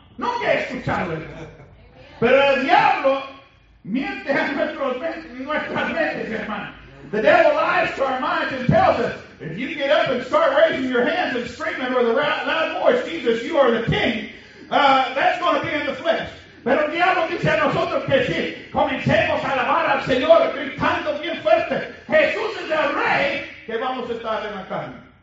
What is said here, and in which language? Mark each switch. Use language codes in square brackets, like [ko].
[es] Nunca he escuchado eso. Pero el diablo miente a nuestras mentes, hermano. [en] The devil lies to our minds and tells us, if you get up and start raising your hands and screaming with a loud voice, Jesus, you are the king, that's going to be in the flesh. [es] Pero el diablo dice a nosotros que si comencemos a alabar al Señor gritando bien fuerte, Jesús es el rey, que vamos a estar en la carne.